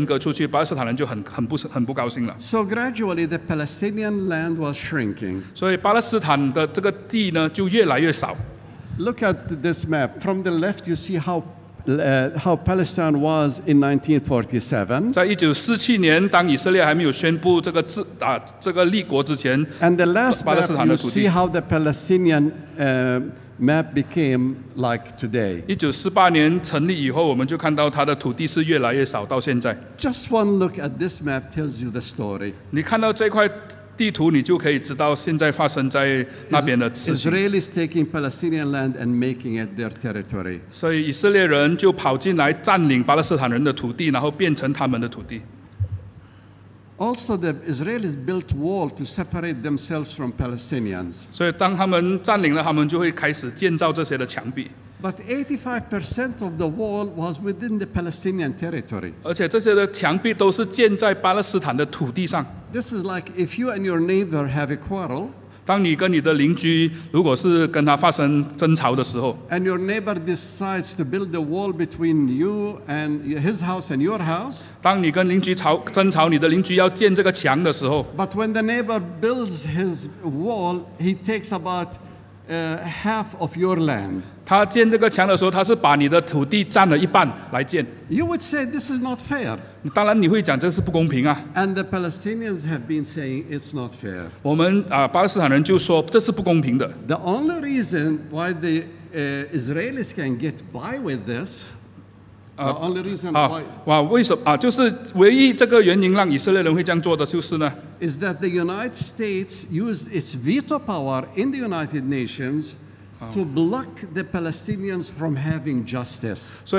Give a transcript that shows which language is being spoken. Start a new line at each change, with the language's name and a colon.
Chinese: 所以这样的情况之下呢，就算是属于巴勒斯坦的地，就已经被分割出去，巴勒斯坦人就很不高兴了。
English: So gradually, the Palestinian land was shrinking.
Chinese: 所以巴勒斯坦的这个地呢，就越来越少。
English: Look at this map. From the left, you see how Palestine was in 1947. And the last map, you see how the Palestinian map became like today.
Chinese: 1948年成立以后，我们就看到它的土地是越来越少，到现在。
English: Just one look at this map tells you the story.
Chinese: 地图你就可以知道现在发生在那边的事情。
English: Israelis taking Palestinian land and making it their territory.
Chinese: 所以以色列人就跑进来占领巴勒斯坦人的土地，然后变成他们的土地。
English: Also, the Israelis built wall to separate themselves from Palestinians.
Chinese: 所以当他们占领了，他们就会开始建造这些的墙壁。
English: But 85% of the wall was within the Palestinian territory.
Chinese: 而且这些的墙壁都是建在巴勒斯坦的土地上。
English: This is like if you and your neighbor have a quarrel.
Chinese: 当你跟你的邻居如果是跟他发生争吵的时候，
English: and your neighbor decides to build a wall between you and his house and your house.
Chinese: 当你跟邻居争吵，你的邻居要建这个墙的时候，
English: but when the neighbor builds his wall, he takes about half of your land.
Chinese: 他建这个墙的时候，他是把你的土地占了一半来建。
English: You would say this is not fair.
Chinese: 当然你会讲这是不公平啊。
English: And the Palestinians have been saying it's not fair.
Chinese: 我们巴勒斯坦人就说这是不公平的。
English: The only reason why the Israelis can get by with this, the only reason why.
Chinese: 为什么，就是唯一这个原因让以色列人会这样做的就是呢？
English: Is that the United States used its veto power in the United Nations to block the Palestinians from having justice.